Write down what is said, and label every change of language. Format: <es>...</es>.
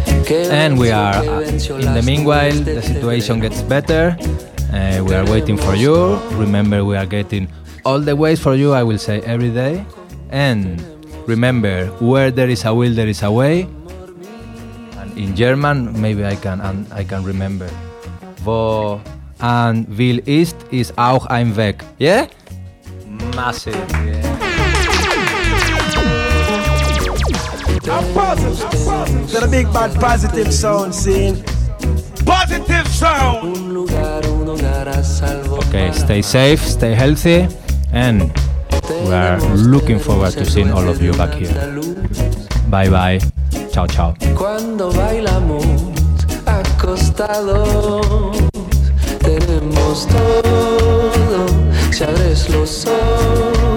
<en>And we are in the meanwhile, the situation gets better. We are waiting for you. Remember, we are getting all the ways for you, I will say every day. And remember, where there is a will, there is a way. And in German, maybe I can remember.</en> <de>Wo ein Will ist auch ein Weg.</de> <en>Yeah? Massive. Yeah. A positive. Got a big bad positive sound scene. Positive sound! Okay, stay safe, stay healthy, and we are looking forward to seeing all of you back here. Bye bye. Ciao ciao.</en> <es>Cuando bailamos acostados, tenemos todo, si abres los ojos.</es>